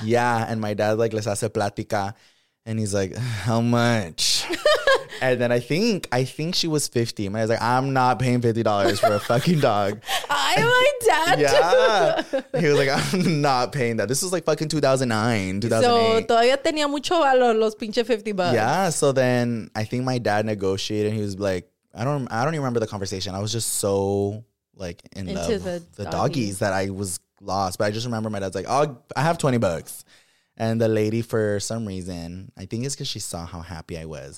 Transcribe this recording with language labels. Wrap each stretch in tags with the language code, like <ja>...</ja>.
<en>Yeah. And my dad, like,</en> <es>les hace plática.</es> <en>And he's like, how much? And then I think she was 50. My dad's like, I'm not paying $50 for a fucking dog. My dad. Yeah. He was like, I'm not paying that. This was, like, fucking 2009, 2008.</en> <es>So, todavía tenía mucho valor los pinche 50 bucks.</es> <en>Yeah. So then I think my dad negotiated. And he was like, I don't even remember the conversation. I was just so, like, into the doggies that I was lost. But I just remember my dad's like, oh, I have 20 bucks. And the lady, for some reason, I think it's because she saw how happy I was.</en>